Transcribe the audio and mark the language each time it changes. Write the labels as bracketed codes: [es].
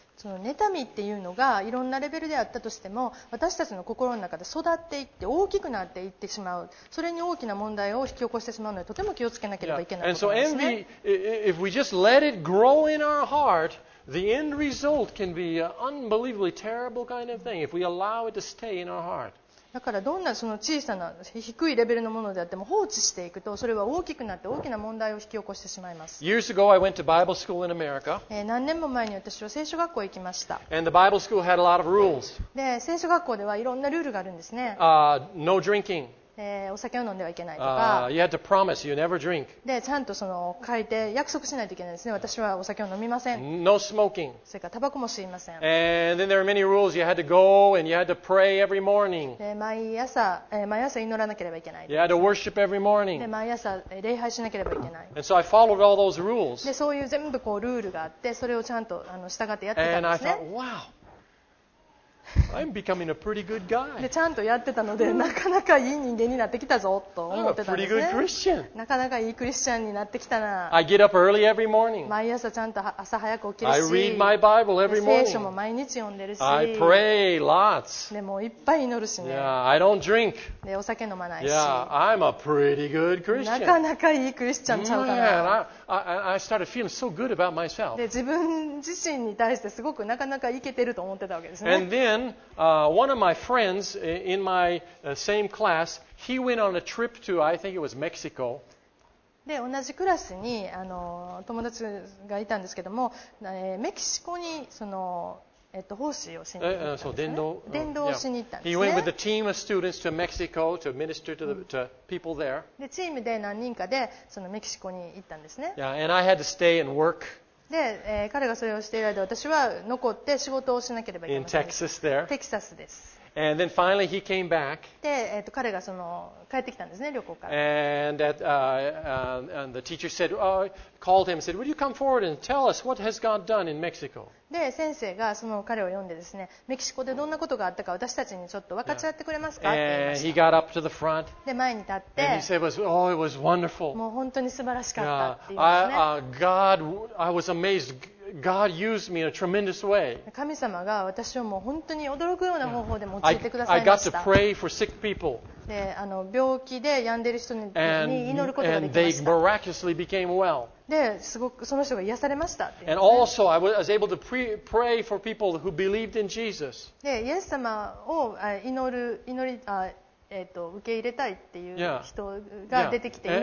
[ja] その妬みっていうのがいろんなレベルであったとしても私たちの心の中で育っていって大きくなっていってしまう、それに大きな問題を引き起こしてしまうのでとても気をつけなければいけないことですね。 [en] And so envy, if we just let it grow in our heart, the end result can be an unbelievably terrible kind of thing if we allow it to stay in our heart. [ja] だからどんなその小さな低いレベルのものであっても放置していくとそれは大きくなって大きな問題を引き起こしてしまいます。 [en] Years ago, I went to Bible school in America. [ja] 何年も前に私は聖書学校へ行きました。 [en] And the Bible school had a lot of rules. [ja] で聖書学校ではいろんなルールがあるんですね。 [en] No drinking. [ja] お酒を飲んではいけないとか、 [en] you had to promise you never drink. [ja] でちゃんとその書いて約束しないといけないですね。私はお酒を飲みません。 [en] No smoking. [ja] それからタバコも吸いません。 [en] And then there are many rules. You had to go and you had to pray every morning. [ja] で毎朝祈らなければいけない。 [en] You had to worship every morning. [ja] で毎朝礼拝しなければいけない。 [en] And so I followed all those rules. [ja] でそういう全部こうルールがあってそれをちゃんと従ってやってたんですね。 [en] And I thought, wow. I'm becoming a pretty good guy. [ja] でちゃんとやってたのでなかなかいい人間になってきたぞと思ってたんですね。 [en] I'm a pretty good Christian. [ja] なかなかいいクリスチャンになってきたな。 [en] I get up early every morning. [ja] 毎朝ちゃんと朝早く起きるし [en] I read my Bible every morning. [ja] 聖書も毎日読んでるし [en] I pray lots. [ja] でもいっぱい祈るしね。 [en] Yeah, I don't drink. [ja] でお酒飲まないし [en] Yeah, I'm a pretty good Christian. [ja] なかなかいいクリスチャンちゃうかな。 [en] Man, I started feeling so good about myself. [ja] で自分自身に対してすごくなかなかいけてると思ってたわけですね。 [en] And then,one of my friends in my same class, he went on a trip to, I think it was Mexico. [ja] で同じクラスに友達がいたんですけども、メキシコにその奉仕をしに行ったんですね。伝道をしに行ったんですね。 [en] He went with a team of students to Mexico to minister to the people there. [ja] でチームで何人かでそのメキシコに行ったんですね。 [en] Yeah, and I had to stay and work. [ja] で、彼がそれをしている間、私は残って仕事をしなければいけません。 [en] In Texas there. [ja] テキサスです。 [en] And then finally he came back. [ja] で、彼がその帰ってきたんですね、旅行から。 [en] And, at, and the teacher said,、called him and said, would you come forward and tell us what has God done in Mexico? [ja] で、先生がその彼を呼んでですね、メキシコでどんなことがあったか私たちにちょっと分かち合ってくれますか、yeah. [en] And he got up to the front. [ja] で、前に立って。 [en] And he said, oh, it was wonderful. [ja] もう本当に素晴らしかったって言いますね。 [en] God, I was amazed. God used me in a tremendous way. [ja] 神様が私をもう本当に驚くような方法で用いてくださいました。 [en] I got to pray for sick people. [ja] で、病気で病んでいる人に祈ることができました。で、すごくその人が癒されました。 [en] And also, I was able to pray for people who believed in Jesus. [ja] で、イエス様を祈り、受け入れたいっていう人が出てきて、